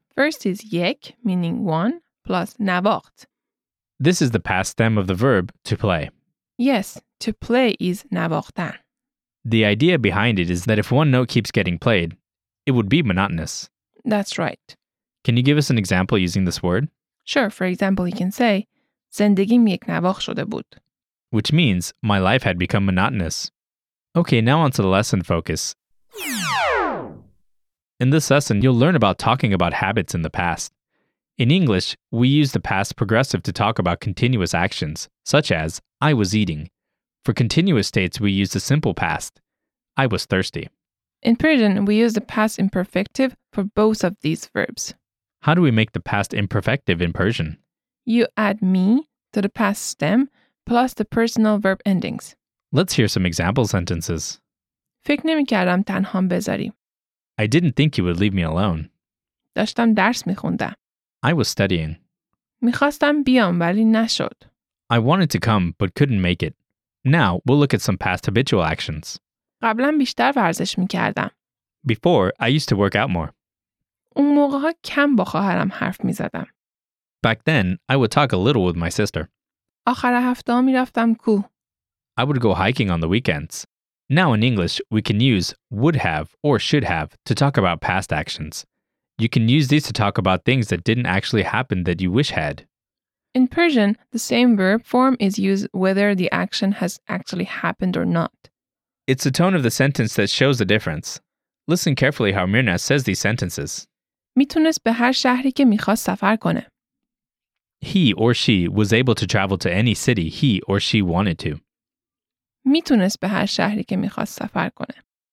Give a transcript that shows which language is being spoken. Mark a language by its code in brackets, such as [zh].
[en] First is yek, meaning one, plus navacht. This is the past stem of the verb to play. Yes, to play is navachtan. The idea behind it is that if one note keeps getting played, it would be monotonous. That's right. Can you give us an example using this word? Sure, for example, you can say, زندگیم یک نواخ شده بود. Which means, my life had become monotonous. Okay, now on to the lesson focus. In this lesson, you'll learn about talking about habits in the past. In English, we use the past progressive to talk about continuous actions, such as, I was eating. For continuous states, we use the simple past, I was thirsty. In Persian, we use the past imperfective for both of these verbs. How do we make the past imperfective in Persian? You add me to the past stem plus the personal verb endings. Let's hear some example sentences. [fa] فکر نمی‌کردم تنهام بذاری. [en] I didn't think you would leave me alone. [fa] داشتم درس می‌خوندم. [en] I was studying. [fa] می‌خواستم بیام ولی نشد. [en] I wanted to come but couldn't make it. Now, we'll look at some past habitual actions. [fa] قبلاً بیشتر ورزش می‌کردم. [en] Before, I used to work out more. [fa] اون موقع‌ها کم با خواهرم حرف می‌زدم. [en] Back then, I would talk a little with my sister. [fa] آخر هفته می‌رفتم کوه. [en] I would go hiking on the weekends. Now in English, we can use would have or should have to talk about past actions. You can use these to talk about things that didn't actually happen that you wish had. In Persian, the same verb form is used whether the action has actually happened or not. It's the tone of the sentence that shows the difference. Listen carefully how Mirna says these sentences. [fa] میتونست به هر شهری که میخواست سفر کنه. [en] He or she was able to travel to any city he or she wanted to. [fa] میتونست به هر شهری که میخواست سفر کنه.